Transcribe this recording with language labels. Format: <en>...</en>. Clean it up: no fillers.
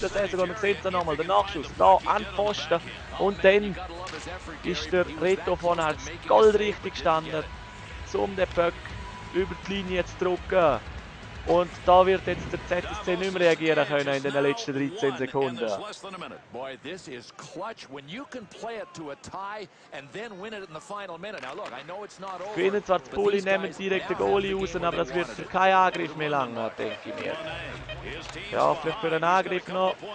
<de>Saison, und man sieht es nochmal, der Nachschuss da an den Pfosten. Und dann ist der Reto Vonax goldrichtig gestanden, um den Böck über die Linie zu drücken. Und da wird jetzt der ZSC nicht mehr reagieren können in den letzten 13 Sekunden.</de> <en>Boy, this is clutch when you can play it to a tie and then win it in the final minute. Now look, I know it's not over.</en> <de>Gewinnen zwar das Pulli, nehmen direkt den Goalie raus, aber das wird für keinen Angriff mehr lange, denke ich mir. Ja, vielleicht für einen Angriff noch.</de>